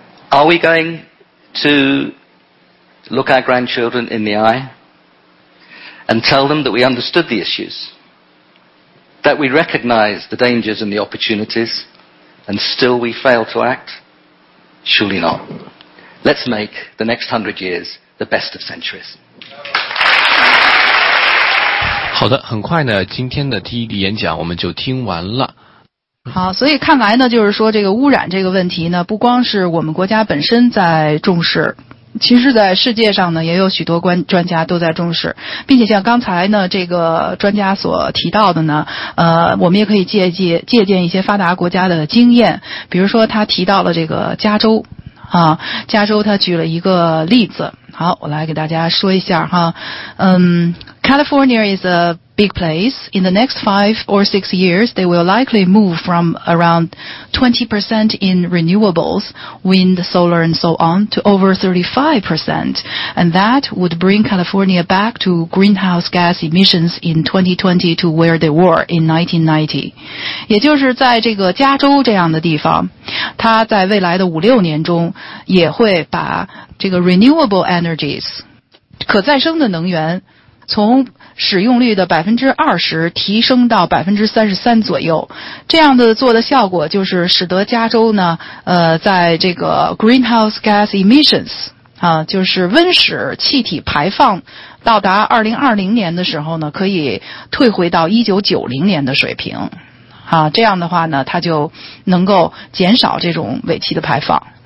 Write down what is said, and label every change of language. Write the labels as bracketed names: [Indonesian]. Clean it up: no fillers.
[English] Are we going to look our grandchildren in the eye and tell them that we understood the issues, that we recognize the dangers and the opportunities, and still we fail to act? Surely not. Let's make the next 100 years the best of centuries. [Chinese] 好的，很快呢，今天的第一题演讲我们就听完了。好，所以看来呢，就是说这个污染这个问题呢，不光是我们国家本身在重视，其实在世界上呢，也有许多专家都在重视，并且像刚才呢，这个专家所提到的呢，我们也可以借鉴一些发达国家的经验，比如说他提到了这个加州，啊，加州他举了一个例子，好，我来给大家说一下哈，嗯。 [English] California is a big place. In the next 5 or 6 years, they will likely move from around 20% in renewables, wind, solar, and so on, to over 35%. And that would bring California back to greenhouse gas emissions in 2020 to where they were in 1990. [Chinese] 也就是在这个加州这样的地方，它在未来的五六年中也会把这个 [English] renewable energies, [Chinese] 可再生的能源从使用率的 20% 提升到 33% 左右，这样的做的效果就是使得加州呢，在这个 [English] greenhouse gas emissions [Chinese] 啊，就是温室气体排放到达2020年的时候呢，可以退回到1990年的水平，啊，这样的话呢，它就能够减少这种尾气的排放。